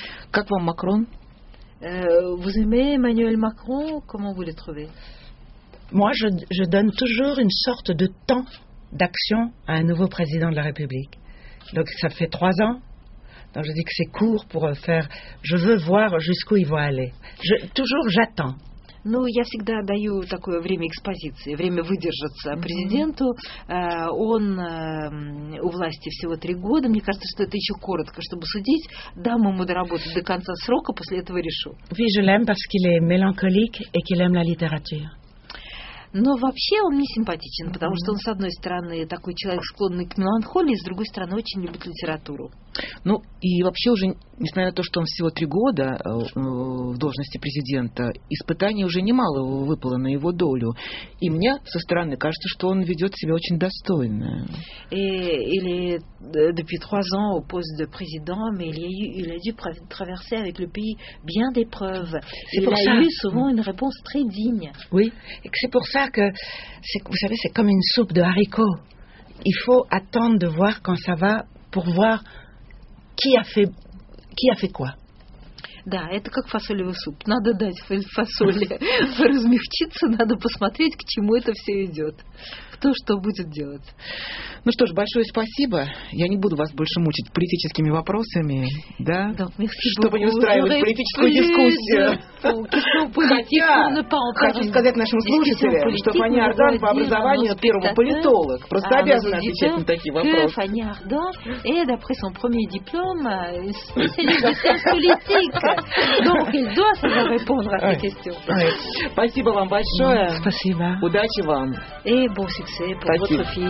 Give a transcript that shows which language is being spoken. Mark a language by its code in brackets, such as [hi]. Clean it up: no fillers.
[ru] Как вам Макрон? [fr] Vous aimez Emmanuel Macron? Comment vous le trouvez? Moi, je donne toujours une sorte de temps d'action à un nouveau président de la République. Donc ça fait 3 ans. Donc je dis que c'est court pour faire. Je veux voir jusqu'où il va aller. Toujours j'attends. [ru] Ну, я всегда даю такое время экспозиции, время выдержаться президенту. Он у власти всего 3 года. Мне кажется, что это еще коротко, чтобы судить. Дам ему доработать до конца срока, после этого решу. [fr] Oui, je l'aime parce qu'il est mélancolique et qu'il aime la littérature. [ru] Но вообще он мне симпатичен, потому что он, с одной стороны, такой человек, склонный к меланхолии, с другой стороны, очень любит литературу. Ну, и вообще уже, несмотря на то, что он всего 3 года в должности президента, испытаний уже немало выпало на его долю. И мне со стороны кажется, что он ведет себя очень достойно. Или [fr] depuis 3 ans au poste de président, mais il a dû traverser avec le pays bien d'épreuves. Il a eu souvent une réponse très digne. Oui, et c'est pour ça que, vous savez, c'est comme une soupe de haricots. Il faut attendre de voir quand ça va pour voir qui a fait quoi. [ru] Да, это как фасолевый суп. Надо дать фасоли размягчиться, надо посмотреть, к чему это все идет. Кто что будет делать. Ну что ж, большое спасибо. Я не буду вас больше мучить политическими вопросами, да? Да, чтобы не устраивать политическую дискуссию. Хотя, хочу сказать нашим слушателям, что Фани Ардан по образованию первый политолог. Просто обязана отвечать на такие вопросы. [fr] Фани Ардан, и, d'après son premier diplôme, спécialiste de politique. Donc, il doit savoir répondre à ces questions. [ru] Спасибо вам большое. Спасибо. Удачи вам. И [fr] bon succès pour votre film.